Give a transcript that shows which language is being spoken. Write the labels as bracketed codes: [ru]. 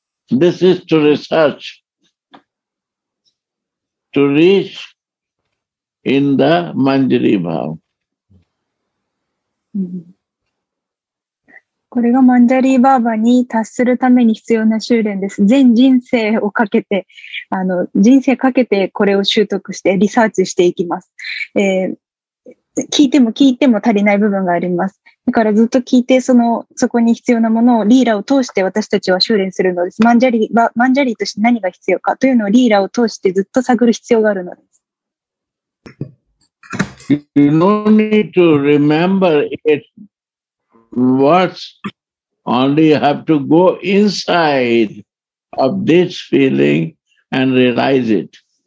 [en] This is to research, to reach in the Manjari Bhav. [ja] これがマンジャリーバーバに達するために必要な修練です。全人生をかけて、人生かけてこれを習得してリサーチしていきます。聞いても聞いても足りない部分があります。だからずっと聞いて、そこに必要なものをリーラを通して私たちは修練するのです。マンジャリーとして何が必要かというのをリーラを通してずっと探る必要があるのです。 [en] You no need to remember it. Words only have to go inside of this feeling and realize it.